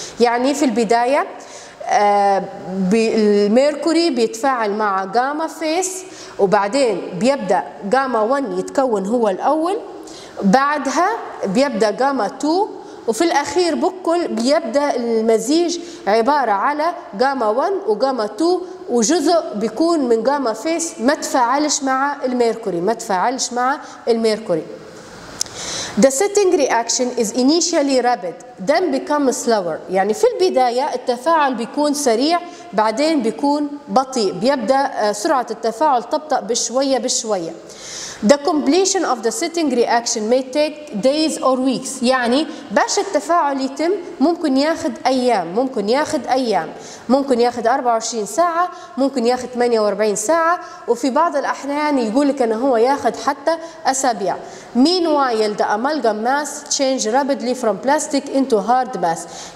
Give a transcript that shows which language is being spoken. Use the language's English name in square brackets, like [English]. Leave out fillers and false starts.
[Arabic] يعني في البداية الميركوري بيتفاعل مع جاما فيس، وبعدين بيبدأ جاما 1 يتكون هو الأول، بعدها بيبدأ جاما 2، وفي الأخير بكل بيبدأ المزيج عبارة على جاما 1 وجاما 2، وجزء بيكون من جاما فيس ما تفاعلش مع الميركوري، ما تفاعلش مع الميركوري. [English] The setting reaction is initially rapid, then becomes slower. [Arabic] يعني في البداية التفاعل بيكون سريع، بعدين بيكون بطيء، بيبدأ سرعة التفاعل تبطأ بشوية بشوية. [English] The completion of the sitting reaction may take days or weeks. [Arabic] يعني باش التفاعل يتم ممكن ياخد أيام، ممكن ياخد أيام، ممكن ياخد 24 ساعة، ممكن ياخد 48 ساعة، وفي بعض الأحيان يقولك أنه هو ياخد حتى أسابيع. [English] Meanwhile, the amalgam mass change rapidly from plastic into hard mass.